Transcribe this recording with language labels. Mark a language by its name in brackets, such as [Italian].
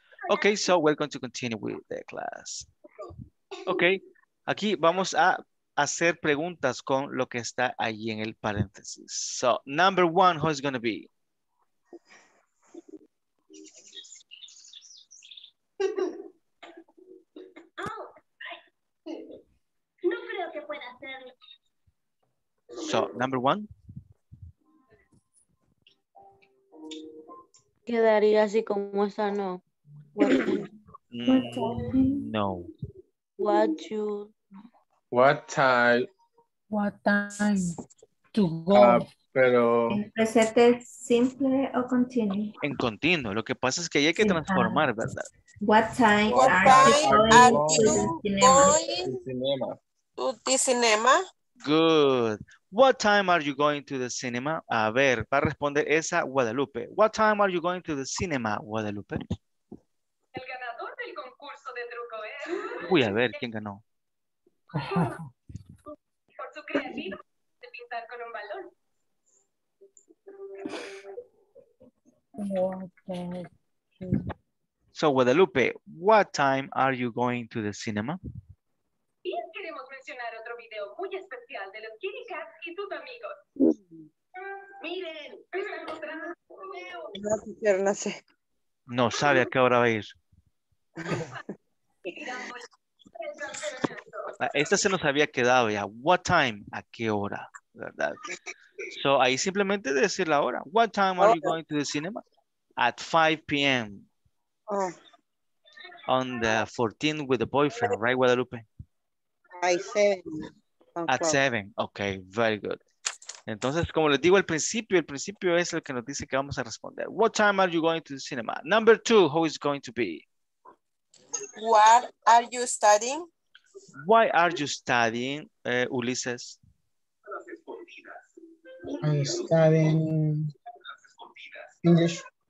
[English] Okay, so we're going to continue with the class. [Spanish] Okay, aquí vamos a hacer preguntas con lo que está ahí en el paréntesis. [English] So, number one, who is going to be? So, number one. [Spanish] Quedaría así como esa, no. No. [English] What you. What time. What time to go. [Spanish] Pero. ¿En presente simple o continuo? En continuo. Lo que pasa es que ahí hay que transformar, ¿verdad? [English] What time are you going to the cinema? Good. What time are you going to the cinema? [Spanish] A ver, va a responder esa Guadalupe. [English] What time are you going to the cinema, Guadalupe? [Spanish] El ganador del concurso de truco es... Uy, a ver, ¿quién ganó? Por su creatividad de pintar con un balón. [English] So, Guadalupe, what time are you going to the cinema? [Spanish] Mencionar otro video muy especial de los [English] Kitty Cats [Spanish] y tus amigos. Miren, está mostrando un video. No sabe a qué hora va a ir. Esta se nos había quedado ya. [English] What time? [Spanish] ¿A qué hora? ¿Verdad? So ahí simplemente decir la hora. [English] What time are you going to the cinema? At 5 p.m. Oh. On the 14th with the boyfriend, right, Guadalupe? At 7. At 7. Okay, very good. [Spanish] Entonces, como les digo, el principio es el que nos dice que vamos a responder. [English] What time are you going to the cinema? Number two, who is going to be? What are you studying? Why are you studying, Ulises? I'm studying English.